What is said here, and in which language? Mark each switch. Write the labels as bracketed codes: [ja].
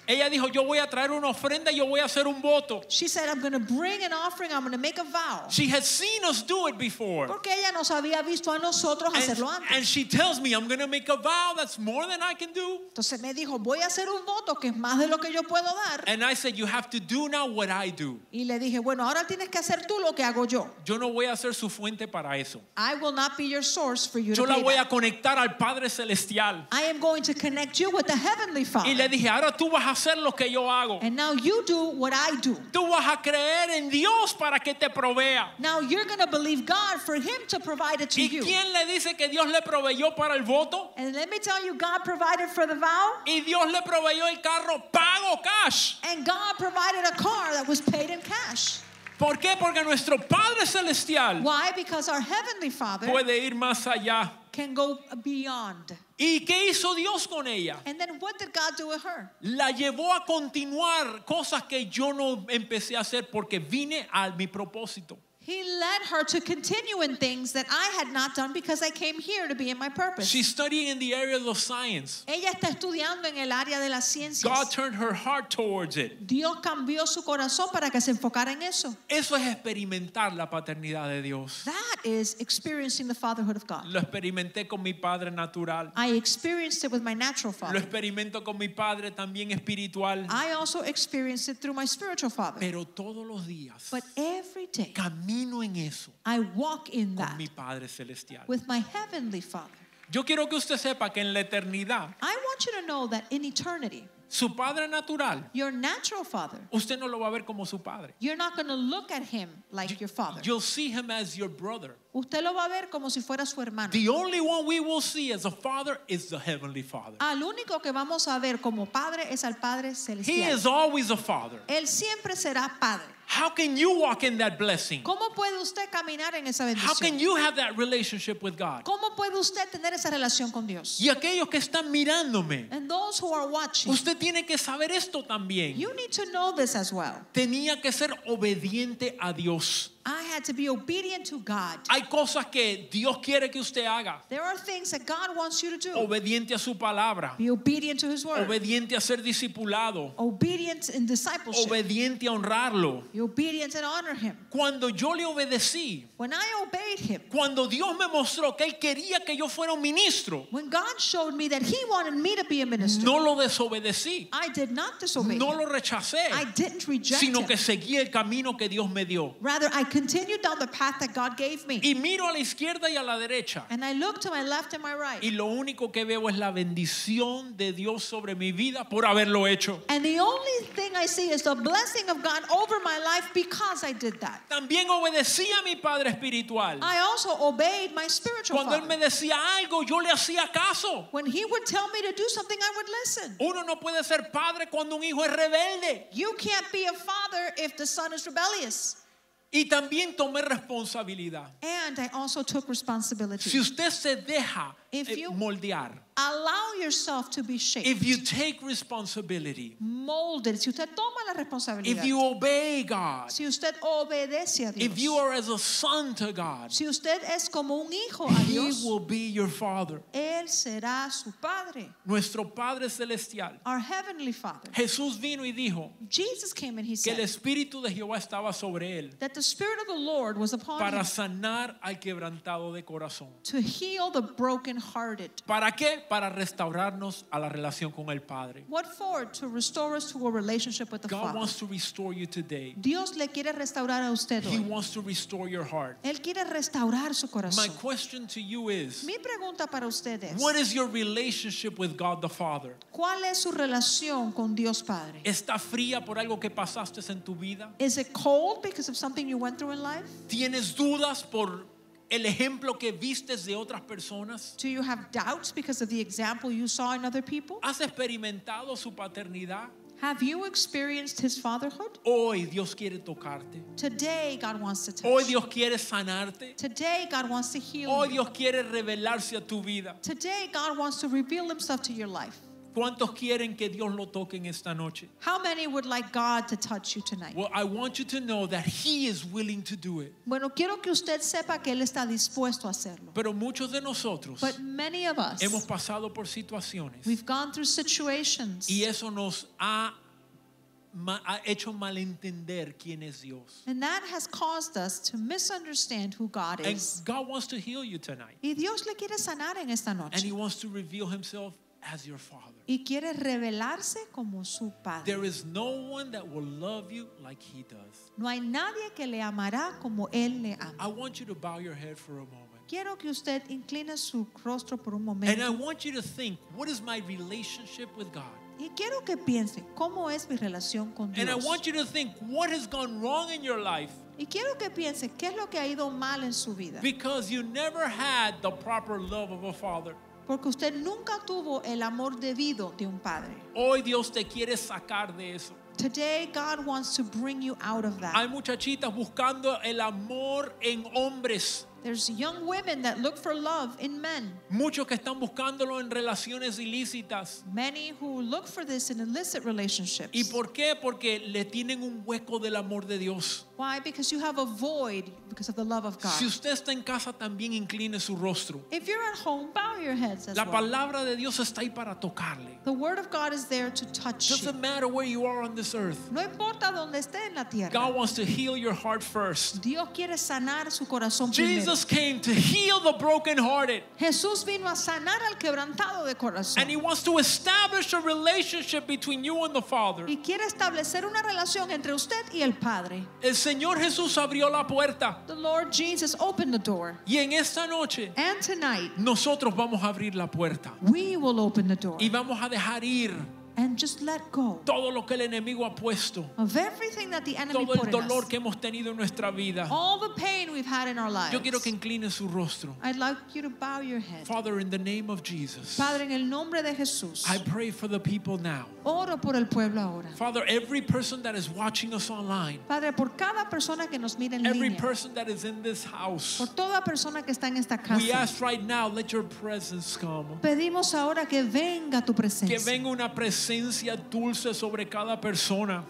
[es] Ella dijo, yo voy a traer una ofrenda y yo voy a hacer un voto. [en] She said, I'm going to bring an offering, I'm going to make a vow. She has seen us do it before. [es] Porque ella nos había visto a nosotros hacerlo antes. [en] And she tells me, I'm going to make a vow that's more than I can do. [es] Entonces me dijo, voy a hacer un voto que es más de lo que yo puedo dar. [en] And I said, you have to do now what I do. [es] Y le dije, bueno, ahora tienes que hacer tú lo que hago yo. Yo no voy a ser su fuente para eso. [en] I will not be your source for you. [es] Yo [en] to [es] la voy [en] that. [es] A conectar al Padre Celestial. [en] I am going to connect you with the Heavenly Father. [es] Y le dije, ahora tú vas a hacer lo que yo hago. [en] And now you do what I do. [es] Tú vas a creer en Dios para que te provea. [en] Now you're going to believe God for Him to provide it to [es] ¿Y [en] you. [es] ¿Y quién le dice que Dios le proveyó para el voto? [en] And let me tell you, God provided for the vow. [es] Y Dios le proveyó el carro. Pago cash. [en] And God provided a car that was paid in cash. [es] ¿Por qué? Porque nuestro Padre Celestial, [en] why? Because our Heavenly Father [es] puede ir más allá. [en] Can go beyond. [es] ¿Y qué hizo Dios con ella? [en] And then what did God do with her? [es] La llevó a continuar cosas que yo no empecé a hacer porque vine a mi propósito. [en] He led her to continue in things that I had not done because I came here to be in my purpose. She's studying in the area of science. [es] Ella está estudiando en el área de las ciencias. [en] God turned her heart towards it. [es] Dios cambió su corazón para que se enfocara en eso. Eso es experimentar la paternidad de Dios. [en] That is experiencing the fatherhood of God. [es] Lo experimenté con mi padre natural. [en] I experienced it with my natural father. [es] Lo experimento con mi padre también espiritual. [en] I also experienced it through my spiritual father. [es] Pero todos los días. [en] But every day. [es] Camino en eso. [en] I walk in [es] con [en] that. [es] Mi Padre Celestial. [en] With my Heavenly Father. [es] Yo quiero que usted sepa que en la eternidad. [en] I want you to know that in eternity. [es] Su padre natural. [en] Your natural father. [es] Usted no lo va a ver como su padre. [en] You're not going to look at him like your father. You'll see him as your brother. [es] Usted lo va a ver como si fuera su hermano. [en] The only one we will see as a father is the Heavenly Father. [es] Al único que vamos a ver como padre es al Padre Celestial. [en] He is always a father. [es] Él siempre será padre. [en] How can you walk in that blessing? [es] ¿Cómo puede usted caminar en esa bendición? [en] How can you have that relationship with God? [es] ¿Cómo puede usted tener esa relación con Dios? Y aquellos que están mirándome. [en] And those who are watching. [es] Usted tiene que saber esto también. [en] You need to know this as well. [es] Tenía que ser obediente a Dios. [en] I had to be obedient to God. [es] Hay cosas que Dios quiere que usted haga. [en] There are things that God wants you to do. [es] Obediente a su palabra. [en] Be obedient to his word. [es] Obediente a ser discipulado. [en] Obedient in discipleship. [es] Obediente a honrarlo. [en] Be obedient and honor him. [es] Cuando yo le obedecí. [en] When I obeyed him. [es] Cuando Dios me mostró que él quería que yo fuera un ministro. [en] When God showed me that he wanted me to be a minister. [es] No lo desobedecí. [en] I did not disobey. [es] No [en] him. [es] Lo rechacé. [en] I didn't reject [es] sino [en] him. [es] Sino que seguí el camino que Dios me dio. [en] Rather I continued down the path that God gave me. [es] Y miro a la izquierda y a la derecha. [en] And I look to my left and my right. [es] Y lo único que veo es la bendición de Dios sobre mi vida por haberlo hecho. [en] And the only thing I see is the blessing of God over my life because I did that. [es] También obedecí a mi padre espiritual. [en] I also obeyed my spiritual [es] Cuando [en] father. [es] Cuando él me decía algo, yo le hacía caso. [en] When he would tell me to do something, I would listen. [es] Uno no puede ser padre cuando un hijo es rebelde. [en] You can't be a father if the son is rebellious. [es] Y también tomé responsabilidad. [en] And I also took responsibility. [es] Si usted se deja moldear. [en] Allow yourself to be shaped. If you take responsibility. [es] Molded. Si usted toma la responsabilidad. [en] If you obey God. [es] Si usted obedece a Dios. [en] If you are as a son to God. [es] Si usted es como un hijo a [en] He [es] Dios. [en] He will be your father. [es] Él será su padre. Nuestro Padre Celestial. [en] Our Heavenly Father. [es] Jesús vino y dijo. [en] Jesus came and he said. [es] Que el Espíritu de Jehová estaba sobre él. [en] That the Spirit of the Lord was upon [es] para Para sanar al quebrantado de corazón. [en] To heal the brokenhearted. [es] ¿Para qué? Para restaurarnos a la relación con el Padre. [en] What for? To restore us to a relationship with the God Father. God wants to restore you today. [es] Dios le quiere restaurar a usted [en] He [es] hoy. [en] He wants to restore your heart. [es] Él quiere restaurar su corazón. [en] My question to you is. [es] Mi pregunta para ustedes. [en] What is your relationship with God the Father? [es] ¿Cuál es su relación con Dios Padre? ¿Está fría por algo que pasaste en tu vida? [en] Is it cold because of something you went through in life? [es] ¿Tienes dudas por el ejemplo que vistes de otras personas? [en] Do you have doubts because of the example you saw in other people? [es] ¿Has experimentado su paternidad? [en] Have you experienced his fatherhood? [es] Hoy Dios quiere tocarte. [en] Today God wants to touch you. [es] Hoy Dios quiere sanarte. [en] Today God wants to heal you. [es] Hoy Dios quiere revelarse a tu vida. [en] Today God wants to reveal himself to your life. [es] ¿Cuántos quieren que Dios lo toque en esta noche? [en] How many would like God to touch you tonight? Well, I want you to know that he is willing to do it. [es] Bueno, quiero que usted sepa que él está dispuesto a hacerlo. Pero muchos de nosotros, [en] but many of us, [es] hemos pasado por situaciones, [en] we've gone through situations, [es] y eso nos ha hecho malentender quién es Dios. [en] And that has caused us to misunderstand who God is. And God wants to heal you tonight. [es] Y Dios le quiere sanar en esta noche. [en] And he wants to reveal himself as your father. [es] Y quiere revelarse como su padre. [en] There is no one that will love you like he does. [es] No hay nadie que le amará como él le ama. [en] I want you to bow your head for a moment. [es] Quiero que usted incline su rostro por un momento. [en] And I want you to think, what is my relationship with God? [es] Y quiero que piense, ¿cómo es mi relación con Dios? [en] And I want you to think, what has gone wrong in your life? [es] Y quiero que piense, ¿qué es lo que ha ido mal en su vida? [en] Because you never had the proper love of a father. [es] Porque usted nunca tuvo el amor debido de un padre. Hoy Dios te quiere sacar de eso. [en] Today God wants to bring you out of that. [es] Hay muchachitas buscando el amor en hombres. [en] There's young women that look for love in men. [es] Muchos que están buscándolo en relaciones ilícitas. [en] Many who look for this in illicit relationships. [es] ¿Y por qué? Porque le tienen un hueco del amor de Dios. [en] Why? Because you have a void because of the love of God. [es] Si usted está en casa, también incline su rostro. [en] If you're at home, bow your heads as well. [es] La palabra de Dios está ahí para tocarle. [en] The word of God is there to touch you. Doesn't matter where you are on this earth. [es] No importa donde esté en la tierra. [en] God wants to heal your heart first. [es] Dios quiere sanar su corazón primero. [en] Jesus came to heal the brokenhearted. [es] Jesús vino a sanar al quebrantado de corazón. [en] And he wants to establish a relationship between you and the Father. [es] Y quiere establecer una relación entre usted y el Padre. El Señor Jesús abrió la puerta. [en] The Lord Jesus opened the door. [es] Y en esta noche, [en] and tonight, [es] nosotros vamos a abrir la puerta. [en] We will open the door. [es] Y vamos a dejar ir. [en] And just let go. [es] Todo lo que el enemigo ha puesto. [en] Of everything that the enemy [es] todo el dolor [en] put in [es] que hemos tenido en nuestra vida. [en] All the pain we've had in our lives. [es] Yo quiero que incline su rostro. [en] I'd like you to bow your head. Father, in the name of Jesus. [es] Padre, en el nombre de Jesús. [en] I pray for the people now. [es] Oro por el pueblo ahora. [en] Father, every person that is watching us online. [es] Padre, por cada persona que nos mira en línea. [en] Every person that is in this house. [es] Por toda persona que está en esta casa. [en] We ask right now, let your presence come. [es] Pedimos ahora que venga tu presencia. Que venga una presencia dulce sobre cada persona.